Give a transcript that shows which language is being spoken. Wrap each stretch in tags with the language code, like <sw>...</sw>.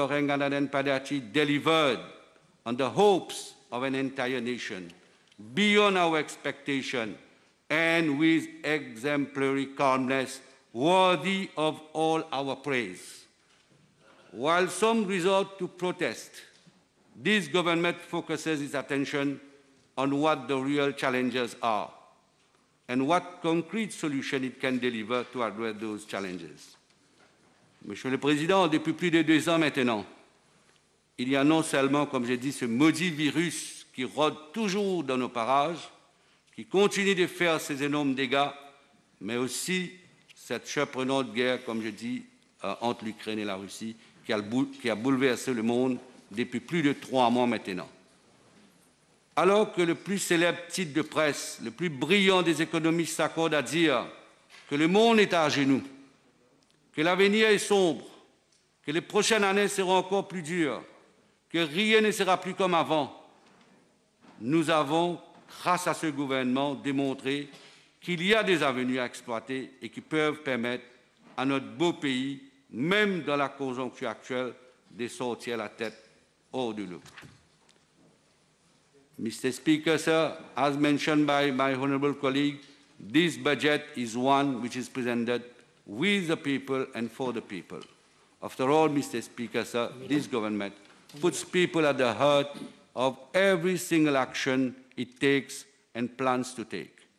<en>Ranganathan Padeachi delivered on the hopes of an entire nation, beyond our expectation, and with exemplary calmness, worthy of all our praise. While some resort to protest, this government focuses its attention on what the real challenges are and what concrete solution it can deliver to address those challenges.</en> <fr>Monsieur le Président, depuis plus de deux ans maintenant, il y a non seulement, comme j'ai dit, ce maudit virus qui rôde toujours dans nos parages, qui continue de faire ses énormes dégâts, mais aussi cette surprenante guerre, comme je dis, entre l'Ukraine et la Russie, qui a bouleversé le monde depuis plus de trois mois maintenant. Alors que le plus célèbre titre de presse, le plus brillant des économistes s'accorde à dire que le monde est à genoux, que l'avenir est sombre, que les prochaines années seront encore plus dures, que rien ne sera plus comme avant, nous avons, grâce à ce gouvernement, démontré qu'il y a des avenues à exploiter et qui peuvent permettre à notre beau pays, même dans la conjoncture actuelle, de sortir la tête hors de l'eau.</fr> <en>Mr. Speaker, sir, as mentioned by my honourable colleague, this budget is one which is presented with the people and for the people. After all, Mr. Speaker, sir, this government puts people at the heart of every single action it takes and plans to take.</en>